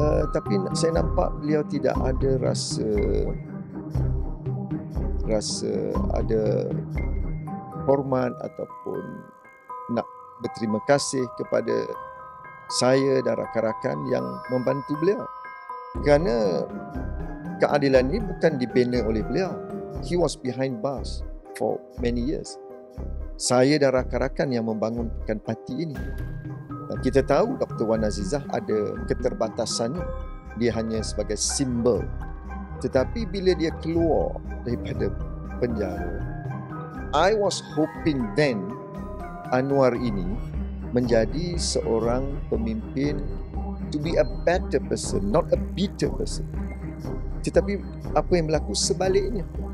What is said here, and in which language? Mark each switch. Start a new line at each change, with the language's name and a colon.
Malay: Tapi saya nampak beliau tidak ada rasa ada hormat ataupun nak berterima kasih kepada saya dan rakan-rakan yang membantu beliau. Kerana keadilan ini bukan dibina oleh beliau.
English: He was behind bars for many years.
Malay: Saya dan rakan-rakan yang membangunkan parti ini. Kita tahu Dr. Wan Azizah ada keterbatasannya. Dia hanya sebagai simbol. Tetapi bila dia keluar daripada penjara,
English: I was hoping then
Malay: Anwar ini menjadi seorang pemimpin
English: to be a better person, not a bitter person.
Malay: Tetapi apa yang berlaku sebaliknya.